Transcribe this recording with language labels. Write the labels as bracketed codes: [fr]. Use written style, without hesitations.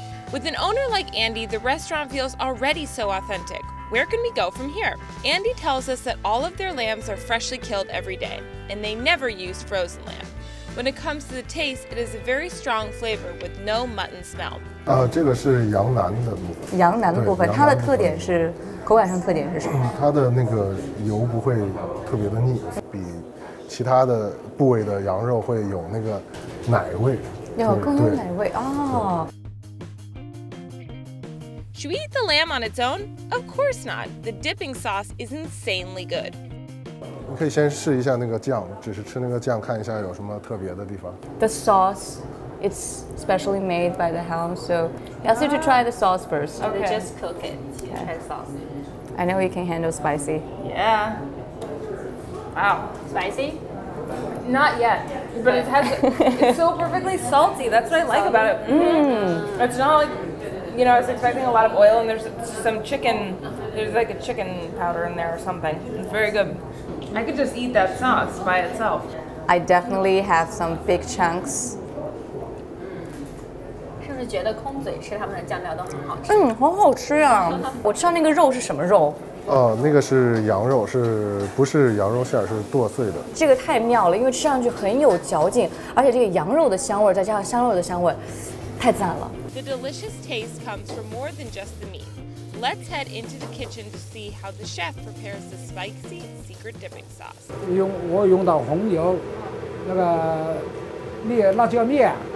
[en] With an owner like Andy, the restaurant feels already so authentic. Where can we go from here? Andy tells us that all of their lambs are freshly killed every day, and they never use frozen lamb. When it comes to the taste, it is a very strong flavor with no mutton smell. [zh] 这个是羊腩的部分。羊腩的部分，它的特点是。口感上特点是什么？它的那个油不会特别的腻，比其他的部位的羊肉会有那个奶味，有更多奶味哦。 [en] Should we eat the lamb on its own? Of course not. The dipping sauce is insanely good. [zh] 你可以先试一下那个酱，只是吃那个酱，看一下有什么特别的地方。 [en] The sauce, it's specially made by the house, so you have to try the sauce first. Okay, okay. Just cook it. Okay. Try the sauce. I know you can handle spicy. Yeah. Wow, spicy? Not yet, but it has, it's so perfectly salty. That's what I like about it. It's not like, you know, I was expecting a lot of oil and there's some chicken, there's like a chicken powder in there or something. It's very good. I could just eat that sauce by itself. I definitely have some big chunks. [zh] 是觉得空嘴吃他们的酱料都很好吃。嗯，好好吃啊！我吃到那个肉是什么肉？那个是羊肉，是不是羊肉馅儿？是剁碎的。这个太妙了，因为吃上去很有嚼劲，而且这个羊肉的香味再加上香肉的香味，太赞了。 [en] The delicious taste comes from more than just the meat. Let's head into the kitchen to see how the chef prepares the spicy secret dipping sauce. [zh] 我用到红油，那个面辣椒面。